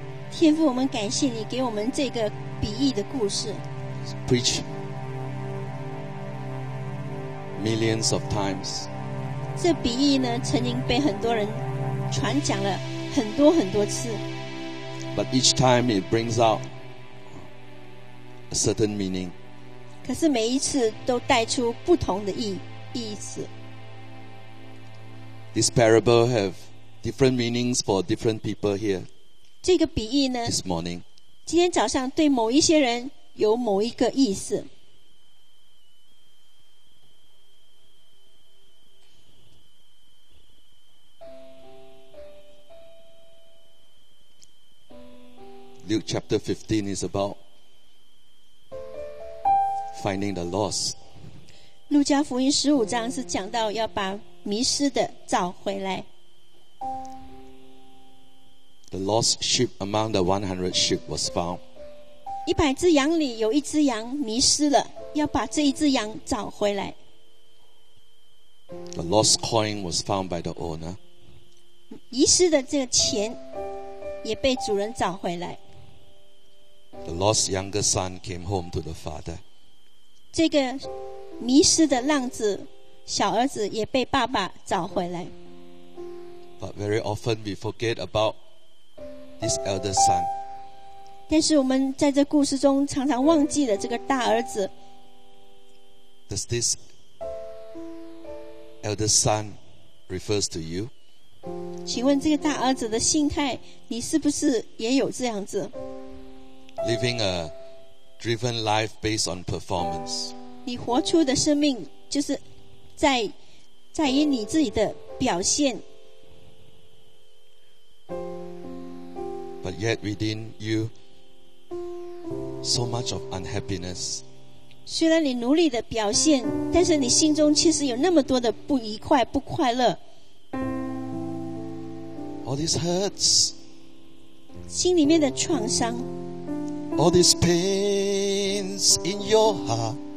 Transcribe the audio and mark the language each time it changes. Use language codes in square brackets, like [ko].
[zh] 天父，我们感谢你给我们这个比喻的故事。 [en] Preach millions of times. [zh] 这比喻呢，曾经被很多人传讲了很多很多次。 [en] But each time it brings out a certain meaning. [zh] 可是每一次都带出不同的意思。 [en] This parable have different meanings for different people here. [zh] 这个比喻呢 [en] This morning. [zh] 今天早上对某一些人有某一个意思。 [en] Luke chapter 15 is about finding the lost. [zh] 路加福音十五章是讲到要把迷失的找回来。 [en] The lost sheep among the 100 sheep was found. [zh] 一百只羊里有一只羊迷失了，要把这一只羊找回来。 [en] The lost coin was found by the owner. [zh] 遗失的这个钱也被主人找回来。 [en] The lost younger son came home to the father. [zh] 这个迷失的浪子小儿子也被爸爸找回来。 [en] But very often we forget about This elder son. [zh] 但是我们在这故事中常常忘记了这个大儿子。 [en] Does this elder son refers to you? [zh] 请问这个大儿子的心态，你是不是也有这样子 [en] ？Living a driven life based on performance. [zh] 你活出的生命就是在于你自己的表现。 [en] But yet within you, so much of unhappiness. [zh] 虽然你努力的表现，但是你心中其实有那么多的不愉快、不快乐。 [en] All these hurts. [zh] 心里面的创伤。 [en] All these pains in your heart.